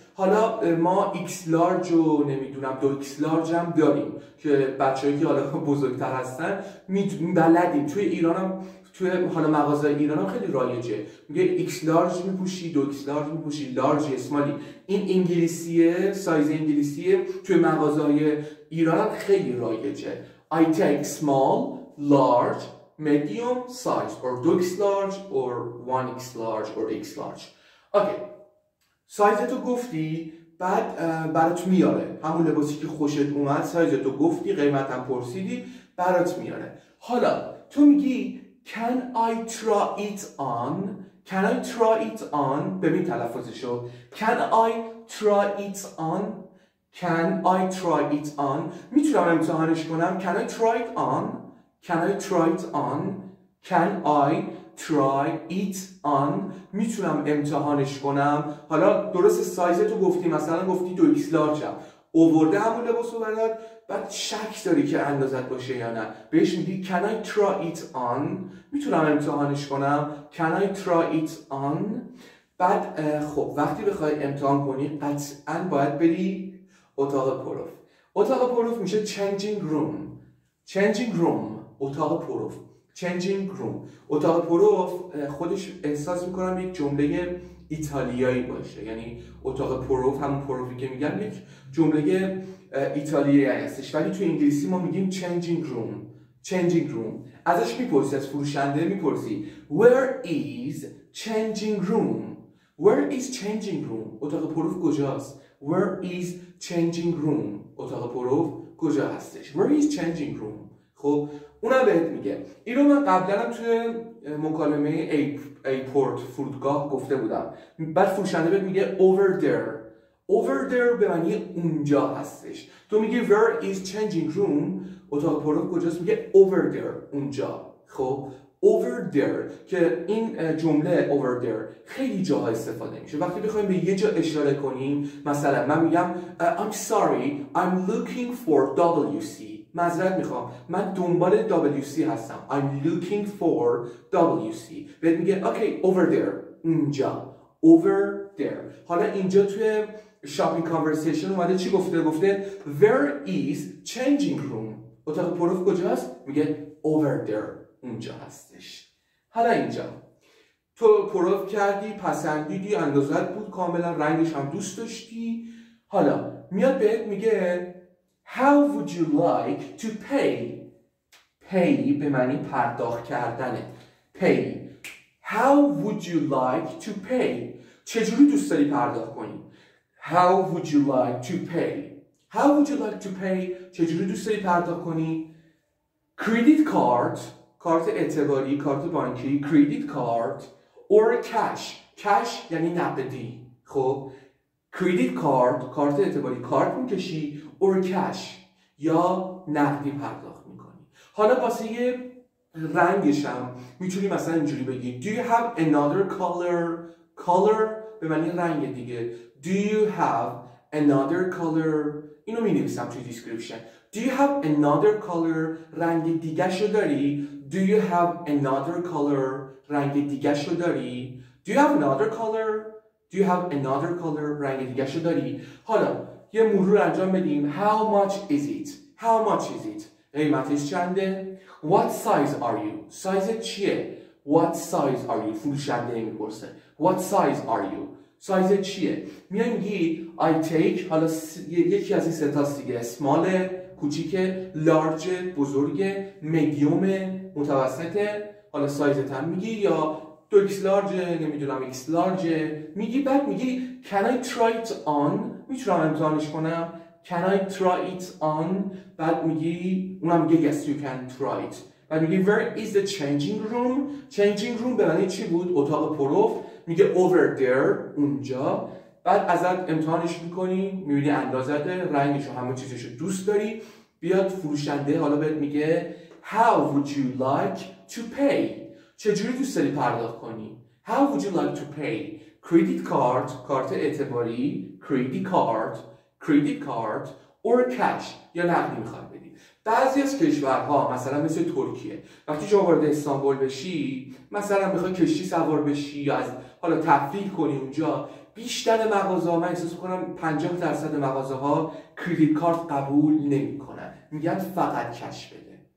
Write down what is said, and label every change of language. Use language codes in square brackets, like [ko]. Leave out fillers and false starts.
[fa] حالا ما x large رو نمیدونم، 2x large هم داریم که بچه‌ای که حالا بزرگتر هستن بلدیم. توی ایران هم، توی حالا مغازه ایران هم خیلی رایجه، میگه x large میپوشی، 2x large میپوشی، large اسمالی. این انگلیسیه، سایز انگلیسیه. توی مغازه های ایران هم خیلی رایجه. [en] I take small, large, medium size or 2x large or 1x large or x large. Okay. [fa] سایزتو گفتی، بعد برات میاره. همون لباسی که خوشت اومد، سایزتو گفتی، قیمتم پرسیدی، برات میاره. حالا تو میگی [en] Can I try it on? Can I try it on? [fa] ببین تلفظشو. [en] Can I try it on? Can I try it on? [fa] میتونم امتحانش کنم؟ [en] Can I try it on? Can I try it on? Can I try it on? [fa] میتونم امتحانش کنم؟ حالا درست سایزتو گفتی، مثلا گفتی 2x large. اوورده همون لباسو برات، بعد شک داری که اندازت باشه یا نه، بهش میگی [en] Can I try it on? [fa] میتونم امتحانش کنم؟ [en] Can I try it on? [fa] بعد خب وقتی بخوای امتحان کنی، قطعاً باید بری اتاق پروف. اتاق پروف میشه changing room. changing room، اتاق پروف. changing room، اتاق پروف. خودش احساس میکنم یک جمله ایتالیایی باشه، یعنی اتاق پروف، همون پروفی که میگم، یک جمله ایتالیایی هستش، ولی تو انگلیسی ما میگیم changing room. changing room ازش میپرسی، از فروشنده میپرسی [en] where is changing room؟ [fa] where is changing room؟ اتاق پروف کجاست؟ Where is changing room؟ اتاق پروف کجا هستش؟ Where is changing room؟ خب اونم بهت میگه. اینو من قبلنم توی مکالمه ایپورت، فرودگاه، گفته بودم. بعد فروشنده بهت میگه [en] Over there. [fa] Over there به معنی اونجا هستش. تو میگه [en] Where is changing room؟ [fa] اتاق پروف کجاست؟ میگه Over there، اونجا. خب over there که این جمله over there خیلی جاها استفاده میشه. وقتی بخوایم به یه جا اشاره کنیم، مثلا من میگم [en] I'm sorry, I'm looking for WC. [fa] معذرت میخوام، من دنبال WC هستم. [en] I'm looking for WC. [fa] بهت میگه [en] okay, over there. [fa] اینجا. [en] Over there. [fa] حالا اینجا توی shopping conversation اومده چی گفته؟ گفته [en] where is changing room؟ [fa] اتاق پروف کجاست؟ میگه over there. اونجا هستش. حالا اینجا تو پروف کردی، پسندیدی، اندازت بود کاملا، رنگش هم دوست داشتی. حالا میاد بهت میگه [en] How would you like to pay? [fa] Pay به معنی پرداخت کردنه. [en] Pay. How would you like to pay? [fa] چجوری دوست داری پرداخت کنی؟ [en] How would you like to pay? How would you like to pay? [fa] چجوری دوست داری پرداخت کنی؟ [en] Credit card. [fa] کارت اعتباری، کارت بانکی. [en] Credit card. Or cash. [fa] Cash یعنی نقدی. خب. Credit card. کارت اعتباری. کارت میکشی. [en] Or cash. [fa] یا نقدی پرداخت میکنی. حالا واسه یه رنگش هم میتونی مثلا اینجوری بگی [en] Do you have another color? [fa] Color به معنی رنگ دیگه. [en] Do you have another color? [fa] اینو می نویسم توی دیسکریپشن. [en] Do you have another color? [fa] رنگ دیگه شو داری؟ [en] Do you have another color? [fa] رنگ دیگه شو داری؟ [en] Do you have another color? Do you have another color? [fa] رنگ دیگه شو داری؟ حالا یه مرور انجام بدیم. [en] How much is it? How much is it? [fa] قیمتش چنده؟ [en] What size are you? [fa] سایزه چیه؟ [en] What size are you? [fa] فروشنده می پرسه. [en] What size are you? [fa] سایزه چیه؟ میان گی I take حالا یکی از این ستاست دیگه. Smallه، کوچیکه، large، بزرگه، medium، متوسطه. حالا سایزت هم میگی یا دو ایکس large، نمیدونم ایکس large. میگی بعد میگی [en] Can I try it on؟ [fa] میتونم امتحانش کنم. [en] Can I try it on؟ [fa] بعد میگی اونم میگه [en] Yes you can try it. [fa] بعد میگی [en] Where is the changing room؟ [fa] changing room به معنی چی بود؟ اتاق پروف. میگه [en] Over there، [fa] اونجا. بعد ازت امتحانش میکنی، میبینی اندازته، رنگش و همه چیزش رو دوست داری. [en] بیاد فروشنده حالا بهت میگه How would you like to pay؟ [fa] چجوری دوست داری پرداخت کنی؟ [en] How would you like to pay؟ credit card، کارت اعتباری، credit card or cash یا نقدی میخواد بدی. [fa] بعضی از کشورها مثلا مثل ترکیه وقتی شما وارد استانبول بشی، مثلا میخواد کشتی سوار بشی یا از حالا تفریح کنی اونجا، بیشتر مغازه ها من احساس کنم 50% مغازه ها credit card قبول نمی کنن، میگن فقط کش بده.